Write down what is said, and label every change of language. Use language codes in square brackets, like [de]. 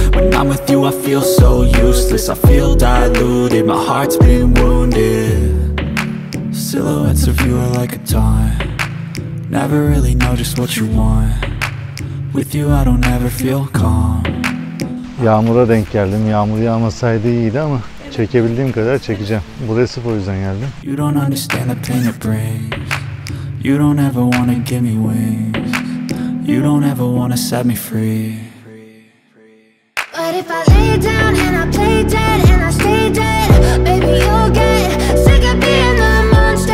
[en] When I'm with you, I feel so useless. I feel diluted, my heart's been wounded. Silhouettes of you are like a taunt. Never really know just what you want. With you I don't ever feel calm. [tr] Yağmura denk geldim. Yağmur yağmasaydı iyiydi ama çekebildiğim kadar çekeceğim. Buraya sırf o yüzden geldim. [en] You don't understand the pain it brings. You don't ever wanna give me wings. You don't ever wanna set me free. But if I lay down and I play dead and I stay dead, baby you'll get sick of being the monster.